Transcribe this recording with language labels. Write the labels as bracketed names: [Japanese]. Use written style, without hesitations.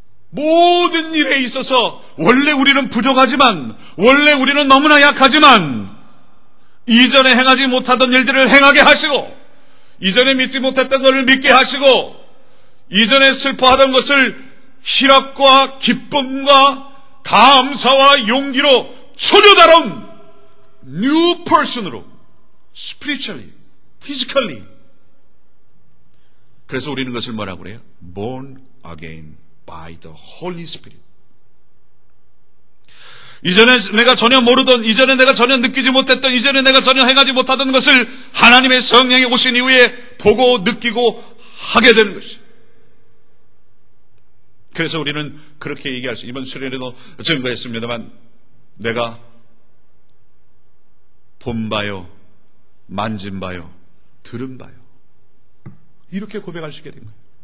[Korean] 모든 일에 있어서 원래 우리는 부족하지만 원래 우리는 너무나 약하지만 이전에 행하지 못하던 일들을 행하게 하시고 이전에 믿지 못했던 것을 믿게 하시고 이전에 슬퍼하던 것을 희락과 기쁨과 감사와 용기로 초녀다운 [English] new person [Korean] 으로 [English] spiritually, physically [Korean] 그래서 우리는 그것을 뭐라고 그래요? [English] born again by the Holy Spirit. [Korean] 이전에 내가 전혀 모르던 이전에 내가 전혀 느끼지 못했던 이전에 내가 전혀 행하지 못하던 것을 하나님의 성령이 오신 이후에 보고 느끼고 하게 되는 것이 그래서 우리는 그렇게 얘기할 수 이번 수련회도 증거했습니다만 내가 본 바요 만진 바요 들은 바요 이렇게 고백할 수 있게 된 거예요.